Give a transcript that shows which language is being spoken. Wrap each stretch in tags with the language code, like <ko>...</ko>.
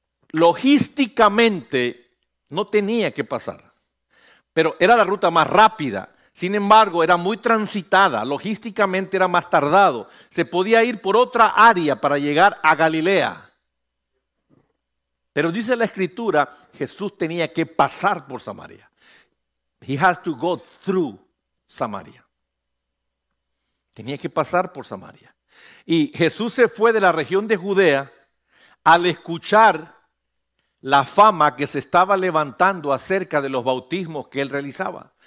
<es>Logísticamente no tenía que pasar, pero era la ruta más rápida. Sin embargo, era muy transitada, logísticamente era más tardado. Se podía ir por otra área para llegar a Galilea. Pero dice la Escritura, Jesús tenía que pasar por Samaria.</es> <en>He has to go through Samaria.</en> <es>Tenía que pasar por Samaria. Y Jesús se fue de la región de Judea al escuchar la fama que se estaba levantando acerca de los bautismos que él realizaba.</es>